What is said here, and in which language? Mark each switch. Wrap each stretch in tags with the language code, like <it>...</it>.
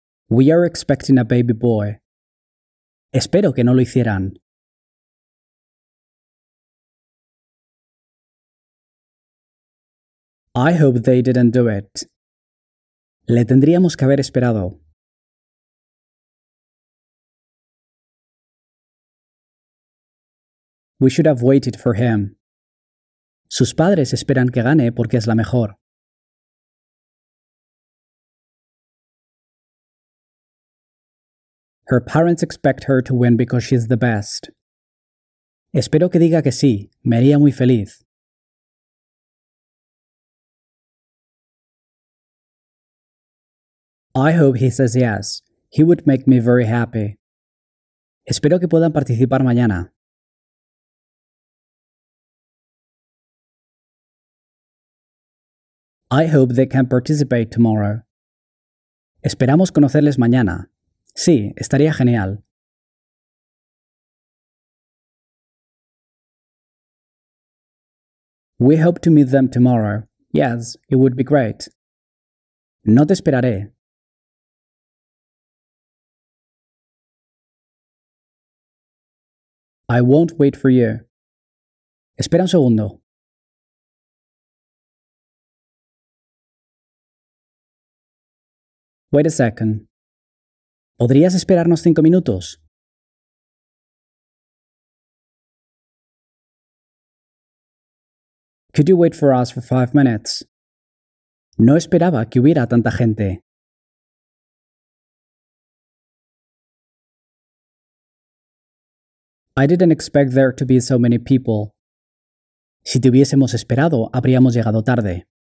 <en>We are expecting a baby boy.</en> <es>Espero que no lo hicieran.</es> <en>I hope they didn't do it.</en> <es>Le tendríamos que haber esperado.</es> <en>We should have waited for him.</en> <es>Sus padres esperan que gane porque es la mejor.</es> <en>Her parents expect her to win because she's the best.</en> <es>Espero que diga que sí, me haría muy feliz.</es> <en>I hope he says yes. He would make me very happy.</en> <es>Espero que puedan participar mañana.</es> <en>I hope they can participate tomorrow.</en> <es>Esperamos conocerles mañana. Sí, estaría genial.</es> <en>We hope to meet them tomorrow. Yes, it would be great.</en> <es>No te esperaré.</es> <en>I won't wait for you.</en> <es>Espera un segundo.</es> <en>Wait a second.</en> <es>¿Podrías esperarnos 5 minutos?</es> <en>Could you wait for us for 5 minutes?</en> <es>No esperaba que hubiera tanta gente.</es> <en>I didn't expect there to be so many people.</en> <es>Si te hubiésemos esperado, habríamos llegado tarde.</es>